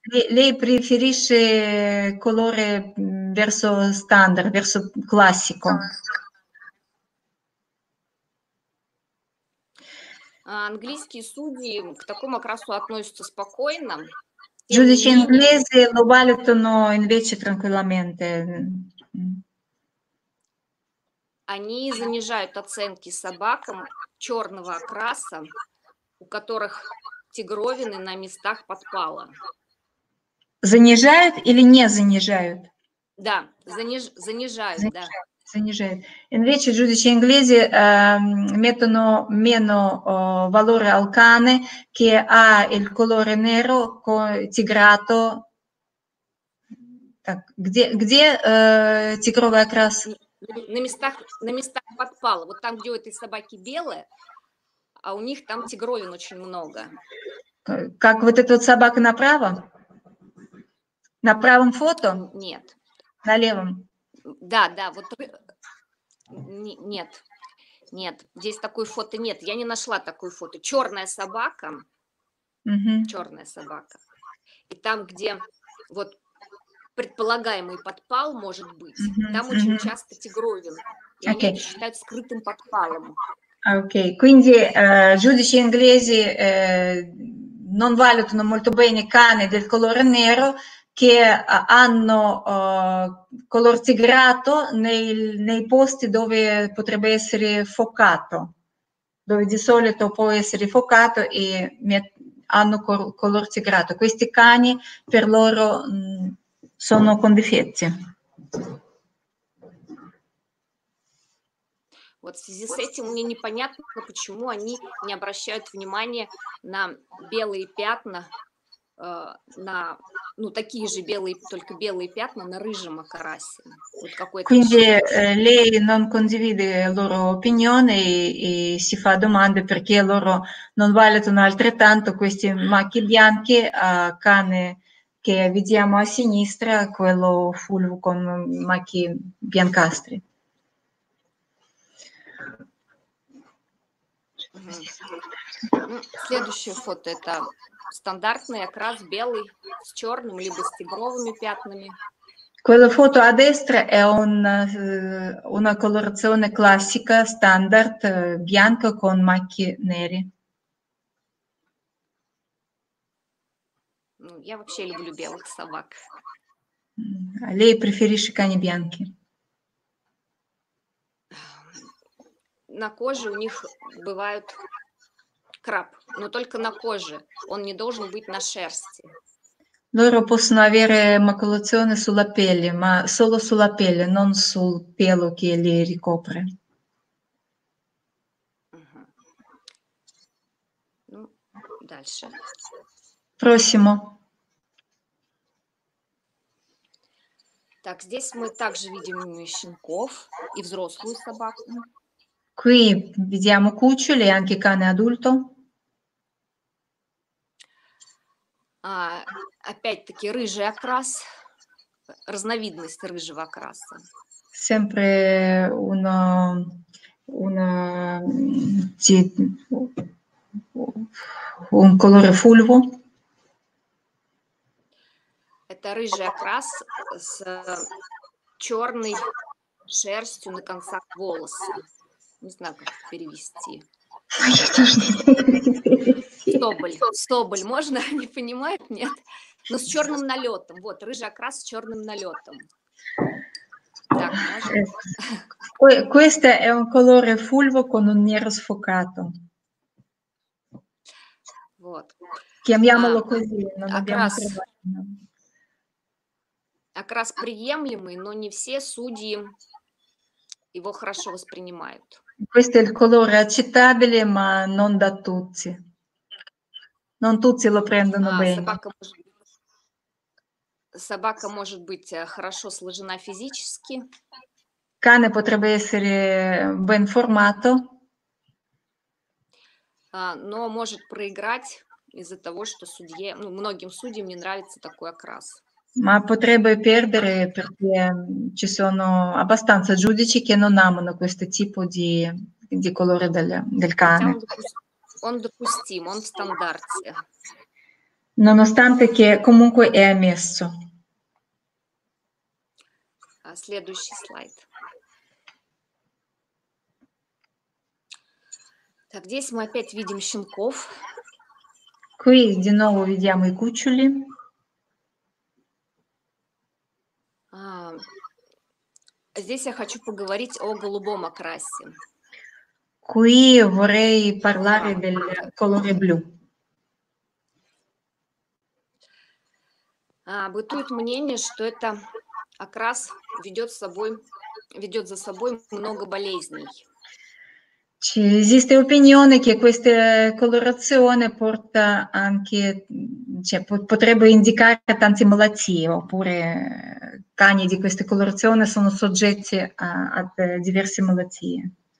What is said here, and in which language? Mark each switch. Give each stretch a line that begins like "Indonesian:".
Italian: Lei preferisce colore verso standard, verso classico.
Russian: Англійські судді к такому окрасу относятся спокойно.
Italian: Giudici inglesi lo valutano invece tranquillamente.
Russian: Они занижают оценки собакам чёрного окраса, у которых тигровины на местах подпала. Занижают или не занижают? Да, занижают, да. Занижают.
Italian: Invece giudici inglesi mettono meno valore al cane che ha il colore nero tigrato.
Russian: Так, где тигровый окрас? На местах подпала. Вот там, где у этой собаки белая, а у них там тигровин очень много. Как вот эта вот собака направо? На правом фото? Нет. На левом? Да, да, вот... Нет. нет, здесь такой фото нет, я не нашла такой фото. Черная собака, черная собака. И там, где вот предполагаемый подпал может быть, там очень часто тигровин. И они это считают скрытым подпалом.
Italian: Окей, quindi giudici inglesi non valutano molto bene cani del colore nero che hanno color tigrato nei posti dove potrebbe essere focato, dove di solito può essere focato e hanno color tigrato. Questi cani per loro sono con difetti.
Russian: Вот в связи с этим мне непонятно, почему они не обращают внимания на белые пятна, на, ну, такие же белые, только белые пятна на рыжем окрасе. Вот какой-то.
Italian: Quindi lei non condivide loro opinione e si fa domande perché loro non valutano altrettanto questi macchi bianchi a cane che vediamo a sinistra, quello fulvo con macchi biancastri.
Russian: Следующее фото – это стандартный окрас белый с черным либо с тигровыми пятнами.
Italian: Quello foto a destra è una colorazione classica standard bianca con macchie nere.
Russian: Ну, я вообще люблю белых собак.
Italian: Lei preferisce cani bianchi?
Russian: На коже у них бывают краб, но только на коже. Он не должен быть на шерсти.
Italian: Loro possono avere macolazione sulla pelle, ma solo sulla pelle, non sul pelo che li ricopre.
Russian: Ну, дальше.
Italian: Prossimo.
Russian: Так, здесь мы также видим щенков и взрослую собаку.
Italian: Qui vediamo cuccioli e anche cane adulto.
Russian: Опять-таки рыжий окрас, разновидность рыжего окраса.
Italian: Sempre un colore fulvo.
Russian: Это рыжий окрас с черной шерстью на концах волос. Не знаю, как перевести. Я тоже не перевести. Соболь, можно? Не понимают, нет? Но с черным налетом. Вот, рыжий окрас с черным налетом. Так, можно?
Italian: Questo è un colore fulvo con un nero sfocato.
Russian: Вот.
Italian: Chiamiamolo così, non abbiamo problema.
Russian: Окрас приемлемый, но не все судьи его хорошо воспринимают.
Italian: Questo è il colore accettabile, ma non da tutti. Non tutti lo prendono bene.
Russian: Собака може бути хорошо сложена фізично.
Italian: Cane potrebbe essere ben formato.
Russian: Но може проиграти из-за того, що судді, ну, многим суддям не нравится такой окрас.
Italian: Ma potrebbe perdere perché ci sono abbastanza giudici che non amano questo tipo di colore del cane.
Russian: On допустим, on standard.
Italian: Nonostante che comunque è ammesso.
Russian: Следующий слайд. Так, здесь мы опять видим щенков.
Italian: Qui di nuovo vediamo i cuccioli.
Russian: Здесь я хочу поговорить о голубом окрасе.
Italian: Qui vorrei parlare del colore blu.
Russian: Бытует мнение, что это окрас ведет за собой много болезней.
Italian: Ci esiste opinione che questa colorazione porta anche, cioè potrebbe indicare tante malattie, oppure cani di questa colorazione sono soggetti a diverse malattie.